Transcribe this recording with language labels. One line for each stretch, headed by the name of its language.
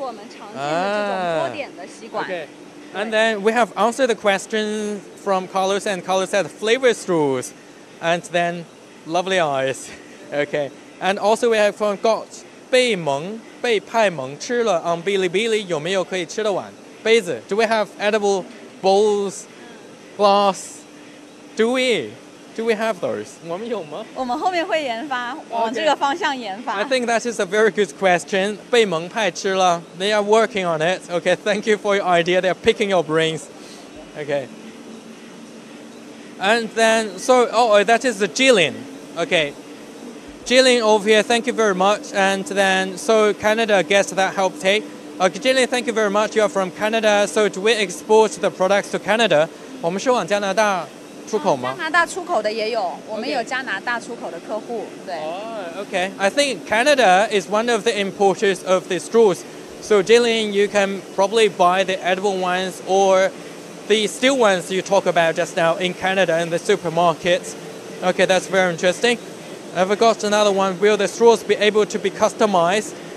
Chinese: 对，有纯白色的，有这种绿色的，有红色的。红色的就是我们常见的这种多点的吸管。Okay.
English: And then we have answered the question from colors and colors at flavor straws. And then lovely eyes. Okay, and also we have got 被蒙被派蒙吃了 on Bilibili
Chinese: 有没有可以吃的碗杯子?
English: Do we have edible bowls, glass? Do we have those?
Chinese: 我们有吗？我们后面会研发，往这个方向研发。
English: Okay. I think that is a very good question. 被蒙派吃了, they are working on it. Okay, thank you for your idea. They are picking your brains. Okay. And then that is the Jilin. Okay. Jilin over here, thank you very much. And then, so Canada gets that help take. Jilin, thank you very much. You are from Canada. So do we export the products to Canada?
Chinese: 我们是往加拿大出口吗? 加拿大出口的也有,我们有加拿大出口的客户,
English: okay. Oh, okay. I think Canada is one of the importers of the straws. So Jilin, you can probably buy the edible ones or the steel ones you talk about just now in Canada in the supermarkets. Okay, that's very interesting. I've got another one. Will the straws be able to be customized?